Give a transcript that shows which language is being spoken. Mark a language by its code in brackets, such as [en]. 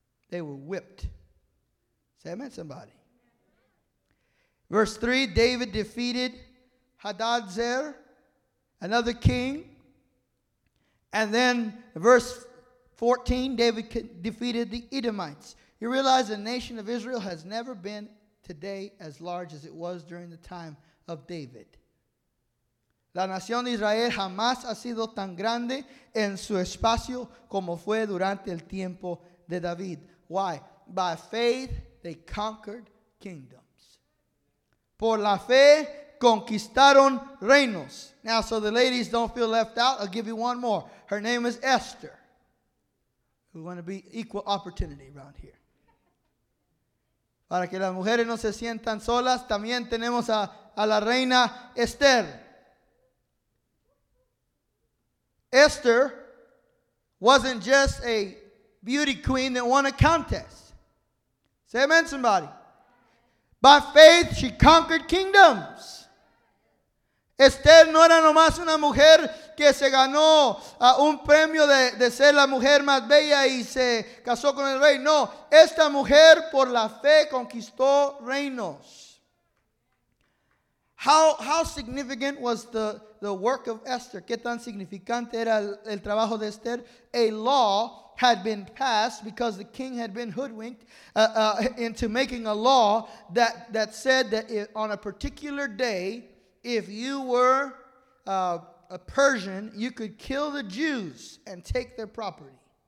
[en] They were whipped. Say amen, somebody. Verse 3, David defeated Hadadzer, another king. And then verse 14, David defeated the Edomites. You realize the nation of Israel has never been today as large as it was during the time of David. [es] La nación de Israel jamás ha sido tan grande en su espacio como fue durante el tiempo de David. [en] Why? By faith, they conquered kingdoms. [es] Por la fe, conquistaron reinos. [en] Now, so the ladies don't feel left out, I'll give you one more. Her name is Esther. We want to be equal opportunity around here. [es] Para que las mujeres no se sientan solas, también tenemos a la reina Esther. [en] Esther wasn't just a beauty queen that won a contest. Say amen, somebody. By faith, she conquered kingdoms. [es] Esther no era nomás una mujer que se ganó un premio de ser la mujer más bella y se casó con el rey. No, esta mujer por la fe conquistó reinos. [en] How significant was the work of Esther? [es] ¿Qué tan significante era el trabajo de Esther? [en] A law had been passed because the king had been hoodwinked into making a law that said that if, on a particular day, if you were a Persian, you could kill the Jews and take their property.